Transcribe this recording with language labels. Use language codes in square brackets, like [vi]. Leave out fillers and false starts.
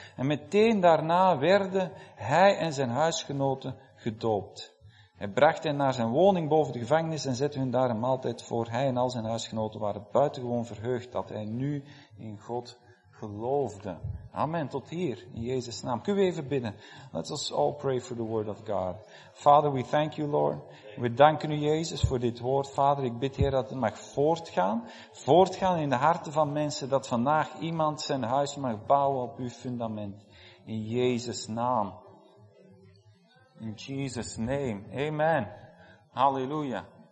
[nl] En meteen daarna werden hij en zijn huisgenoten gedoopt. Hij bracht hen naar zijn woning boven de gevangenis en zette hun daar een maaltijd voor. Hij en al zijn huisgenoten waren buitengewoon verheugd dat hij nu in God geloofde. Amen. Tot hier, in Jezus' naam. Kunnen we even bidden? [en] Let us all pray for the word of God. Father, we thank you, Lord. [nl] We danken u, Jezus, voor dit woord. Vader, ik bid, Heer, dat het mag voortgaan. Voortgaan in de harten van mensen, dat vandaag iemand zijn huis mag bouwen op uw fundament. In Jezus' naam. [en] In Jezus' name. [nl] Amen. Halleluja.